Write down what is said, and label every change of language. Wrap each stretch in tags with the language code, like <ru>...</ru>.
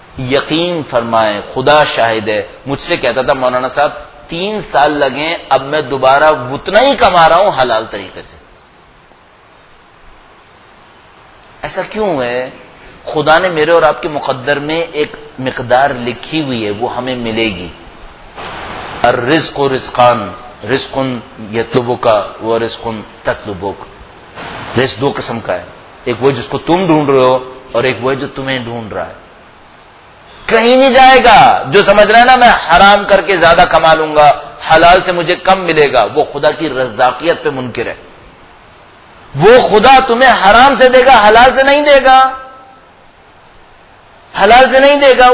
<ur>یقین فرمائیں, خدا شاہد ہے, مجھ سے کہتا تھا مولانا صاحب 3 سال لگیں, اب میں دوبارہ اتنا ہی کما رہا ہوں حلال طریقے سے. ایسا کیوں ہے؟ خدا نے میرے اور آپ کے مقدر میں ایک مقدار لکھی ہوئی ہے, وہ ہمیں ملے گی.</ur> <ar>الرزق رزقان, رزق یطلبک و رزق تطلبک.</ar> <ur>رزق دو قسم کا ہے, ایک وہ جس کو تم ڈھونڈ رہے ہو اور ایک وہ جو تمہیں ڈھونڈ رہا ہے. کہیں نہیں جائے گا جو سمجھ رہا ہے نا میں حرام کر کے زیادہ کما لوں گا حلال سے مجھے کم ملے گا, وہ خدا کی رزاقیت پہ منکر ہے. وہ خدا تمہیں حرام سے دے گا حلال سے نہیں دے گا, حلال سے نہیں دے گا.</ur>